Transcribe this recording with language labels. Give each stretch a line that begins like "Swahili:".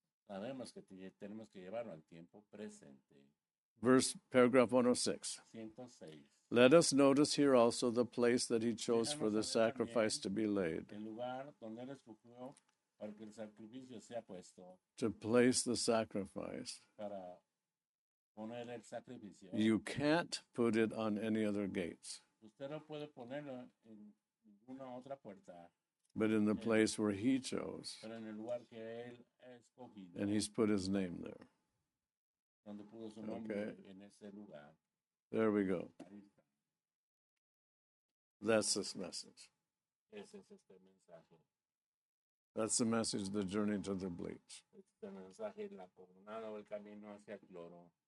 Spanish: Sabemos que tenemos que llevarlo al tiempo presente.
English: Verse, paragraph 106. 106. Let us notice here also the place that he chose for the sacrifice to be laid.
Spanish: El lugar donde él escogió para que el sacrificio sea puesto.
English: To place the sacrifice.
Spanish: Para poner el sacrificio.
English: You can't put it on any other gates.
Spanish: Usted no puede ponerlo en ninguna otra puerta.
English: But in the place where he chose.
Spanish: Pero en el lugar que él escogió.
English: And he's put his name there.
Spanish: Donde puso su nombre,
English: okay.
Spanish: En ese lugar.
English: There we go. That's this message.
Spanish: Ese es este mensaje.
English: That's the message, the journey to the bleach.
Spanish: Este mensaje, la coronada o el camino hacia el cloro.